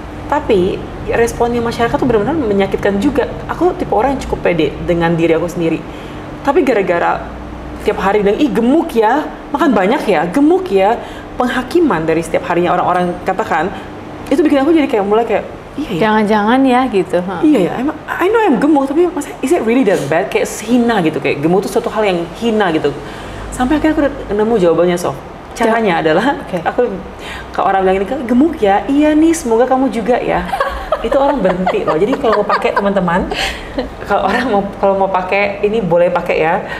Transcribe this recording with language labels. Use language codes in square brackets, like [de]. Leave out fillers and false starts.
[id] Tapi responnya masyarakat tuh benar-benar menyakitkan juga. Aku tipe orang yang cukup pede dengan diri aku sendiri. Tapi gara-gara tiap hari bilang, ih gemuk ya, makan banyak ya, gemuk ya. Penghakiman dari setiap harinya orang-orang katakan, itu bikin aku jadi kayak mulai kayak, iya ya. Jangan-jangan ya gitu. Iya ya, [en] I know I'm gemuk, [id] tapi masa [en] is it really that bad? [id] Kayak hina gitu, kayak gemuk itu suatu hal yang hina gitu. Sampai akhirnya aku nemu jawabannya, so caranya adalah aku ke orang bilang ini gemuk ya, iya nih semoga kamu juga ya. Itu orang berhenti loh. Jadi kalau mau pakai teman-teman, kalau mau pakai ini boleh pakai ya.